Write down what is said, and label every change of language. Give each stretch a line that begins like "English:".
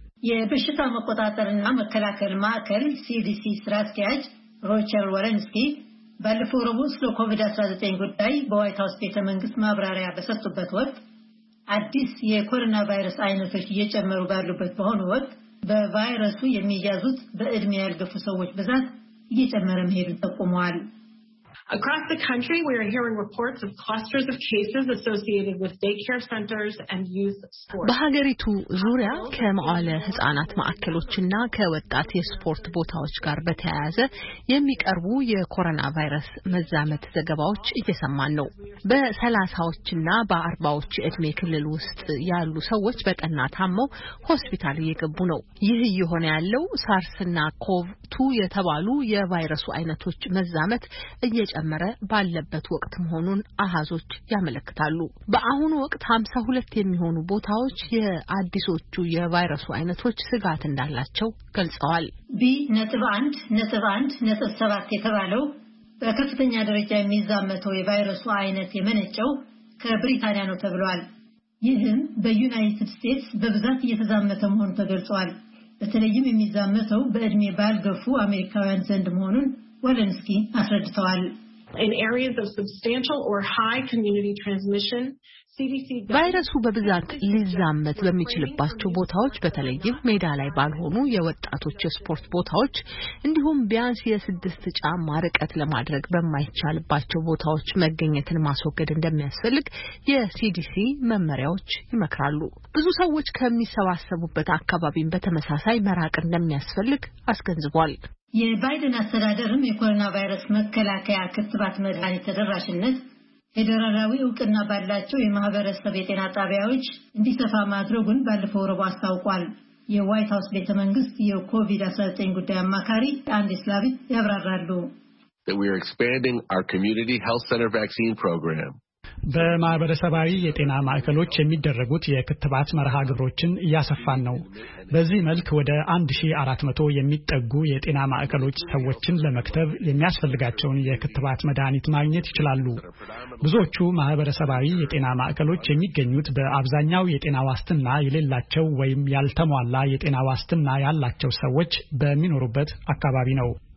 Amharic: የበሽታ መቆጣጠርና መከላከል ማዕከል ሲዲሲ ስራ አስኪያጅ ሮቸር ወረንስኪ ባለፈው ረቡዕ ስለ ኮቪድ-19 ጉዳይ በዋይት ሀውስ ቤተ መንግስት ማብራሪያ በሰጡበት ወቅት አዲስ የኮሮና ቫይረስ አይነቶች እየጨመሩ ባሉበት በሆነ ወቅት በቫይረሱ የሚያዙት በእድሜ ያልገፉ ሰዎች ብዛት እየጨመረ መሄዱን ጠቁመዋል።
English: Across the country, we are hearing reports of clusters of cases associated with daycare centers and youth sports.
Amharic: በሀገሪቱ ዙሪያ ከመዋለ ህፃናት ማዕከሎችና ከወጣት የስፖርት ቦታዎች ጋር በተያያዘ የሚቀርቡ የኮሮና ቫይረስ መዛመት ዘገባዎች እየሰማን ነው። በ30ዎችና በ40ዎች እድሜ ክልል ውስጥ ያሉ ሰዎች በጠና ታመው ሆስፒታል እየገቡ ነው። ይህ ይሆን ያለው ሳርስና ኮቭ-2 የተባሉ የቫይረሱ አይነቶች መዛመት እየጨመረ ባለበት ወቅት መሆኑን አሃዞች ያመለክታሉ። በአሁን ወቅት 52 የሚሆኑ ቦታዎች የአዲሶቹ የቫይረሱ አይነቶች ስጋት እንዳላቸው ገልጸዋል። B.1.1.7 የተባለው በከፍተኛ ደረጃ የሚዛመተው የቫይረሱ አይነት የመነጨው ከብሪታንያ ነው ተብሏል። ይህም በዩናይትድ ስቴትስ በብዛት እየተዛመተ መሆኑ ተገልጿል። በተለይም የሚዛመተው በእድሜ ባልገፉ አሜሪካውያን ዘንድ መሆኑን ወለንስኪ አስረድተዋል።
English: In areas of substantial or high community transmission,
Amharic: ቫይረሱ በብዛት ሊዛመት በሚችልባቸው ቦታዎች በተለይም ሜዳ ላይ ባልሆኑ የወጣቶች ስፖርት ቦታዎች እንዲሁም ቢያንስ የስድስት ጫማ ርቀት ለማድረግ በማይቻልባቸው ቦታዎች መገኘትን ማስወገድ እንደሚያስፈልግ የሲዲሲ መመሪያዎች ይመክራሉ። ብዙ ሰዎች ከሚሰባሰቡበት አካባቢን በተመሳሳይ መራቅ እንደሚያስፈልግ አስገንዝቧል። የባይደን አስተዳደርም የኮሮና ቫይረስ መከላከያ ክትባት መድኃኒት ተደራሽነት ፌደራላዊ ዕውቅና ባላቸው የማህበረሰብ የጤና ጣቢያዎች እንዲሰፋ ማድረጉን ባለፈው ረቡዕ አስታውቋል። የዋይት ሀውስ ቤተ መንግስት የኮቪድ-19 ጉዳይ አማካሪ አንዲ ስላቪት ያብራራሉ።
English: We are expanding our community health center vaccine program.
Amharic: በማህበረሰባዊ የጤና ማዕከሎች የሚደረጉት የክትባት መርሃ ግብሮችን ያሰፋን ነው። በዚህ መልክ ወደ 1400 የሚጠጉ የጤና ማዕከሎች ሰዎችን ለመክተብ የሚያስፈልጋቸውን የክትባት መድኃኒት ማግኘት ይችላሉ። ብዙዎቹ ማህበረሰባዊ የጤና ማዕከሎች የሚገኙት በአብዛኛው የጤና ዋስትና የሌላቸው ወይም ያልተሟላ የጤና ዋስትና ያላቸው ሰዎች በሚኖሩበት አካባቢ ነው።